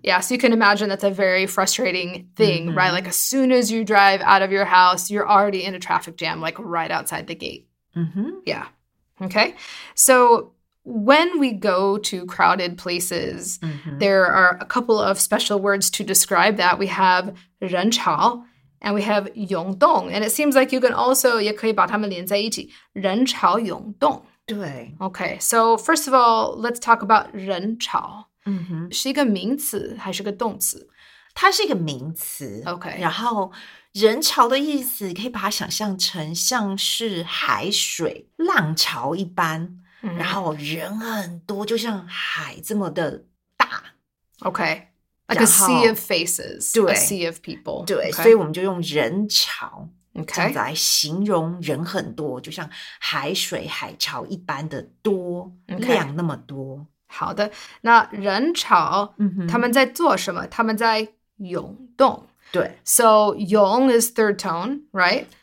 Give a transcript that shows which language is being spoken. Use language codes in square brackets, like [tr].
[en] Yeah, so you can imagine that's a very frustrating thing, right? Like as soon as you drive out of your house you're already in a traffic jam like right outside the gate Yeah, okay So when we go to crowded places, there are a couple of special words to describe that. We have 人潮 and we have 涌动 And it seems like you can also, [zh] 也可以把它们连在一起。人潮涌动。对。 [en] Okay, so first of all, let's talk about 人潮。 [zh] 是一个名词还是个动词？它是一个名词。 [en] Okay. [zh] 然后人潮的意思可以把它想象成像是海水浪潮一般。然后人很多就像海这么的大 [en] OK Like a sea of faces A sea of people [zh] 对、 [en] okay. [zh] 所以我们就用人潮 [en] OK [zh] 这样子来形容人很多就像海水海潮一般的多、 [en] okay. [zh] 量那么多好的那人潮、他们在做什么他们在涌动对 [en] So 涌 is third tone, right?